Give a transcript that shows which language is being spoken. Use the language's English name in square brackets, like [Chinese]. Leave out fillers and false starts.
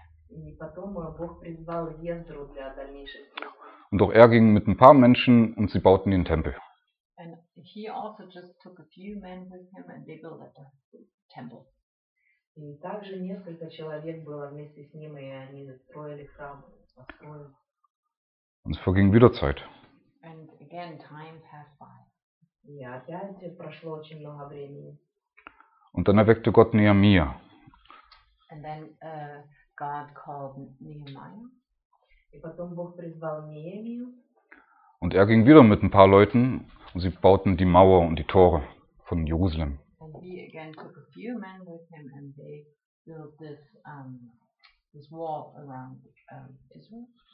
[Russian] И потом Бог призвал Ездру для дальнейших. [German] Und auch ging mit ein paar Menschen und sie bauten den Tempel. [English] And he also just took a few men with him and they built the temple. [Russian] И также несколько человек было вместе с ним, и они строили храм. [German] Und es verging wieder Zeit. [English] And again, time passed by. [Russian] Ja, опять прошло очень много времени. [German] Und dann erweckte Gott Nehemiah. [English] And then God called Nehemiah. [Russian] И потом Бог призвал Неемию. [German] Und ging wieder mit ein paar Leuten und sie bauten die Mauer und die Tore von Jerusalem. [English] And he again took a few men with him and they built this this wall around Israel.